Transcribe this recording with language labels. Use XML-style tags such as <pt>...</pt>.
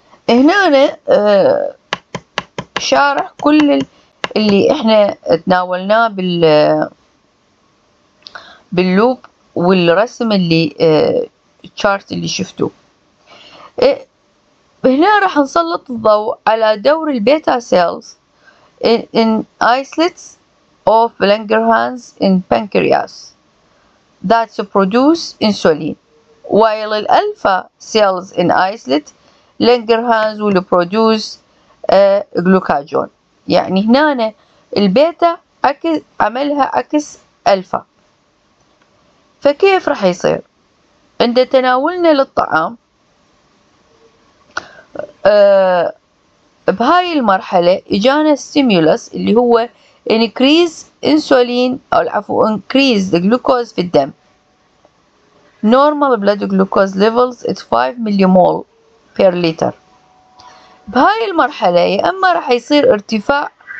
<ar>هنا أنا شارح كل اللي احنا تناولناه باللوب والرسم اللي الشارت اللي شفتوه. هنا راح نسلط الضوء على دور البيتا سيلز</ar> <en>in islets of Langerhans in pancreas that produce insulin while the alpha cells in islet Langerhans will produce glucagon.</en> <ar>يعني هنا البيتا عملها عكس الفا، فكيف راح يصير؟ عند تناولنا للطعام بهاي المرحلة اجانا stimulus اللي هو</ar> <en>increase insulin</en> <ar>او العفو</ar> <en>increase the glucose</en> <ar>في الدم.</ar> <en>normal blood glucose levels at 5 millimole per liter.</en> <ar>بهاي المرحلة يا اما راح يصير ارتفاع</ar>